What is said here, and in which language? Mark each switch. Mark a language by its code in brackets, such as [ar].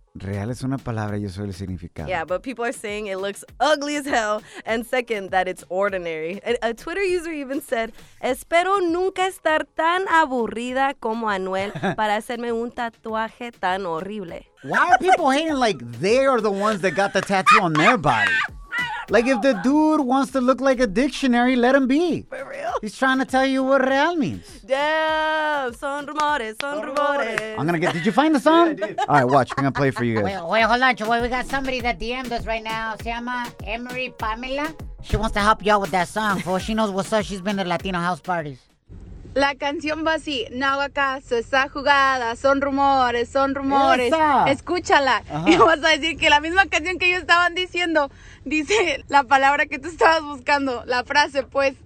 [es] Real es una palabra, yo soy el significado. [en] Yeah, but people are saying it looks ugly as hell. And second, that it's ordinary. A Twitter user even said, [es] Espero nunca estar tan aburrida como Anuel para hacerme un tatuaje tan horrible. [en] Why are people hating like they are the ones that got the tattoo on their body? Like if the dude wants to look like a dictionary, let him be. For real? He's trying to tell you what real means. Damn, [es] son rumores. [en] Did you find the song? Yeah, I did. All right, watch. I'm going to play it for you guys. Wait, hold on. We got somebody that DM'd us right now. [es] Se llama [en] Emery Pamela. She wants to help you out with that song, fool. She knows what's up. She's been to Latino house parties. [es] La canción va así, no hago caso, está jugada, son rumores. Esa. Escúchala. Ajá. Y vas a decir que la misma canción que ellos estaban diciendo, dice la palabra que tú estabas buscando, la frase, pues.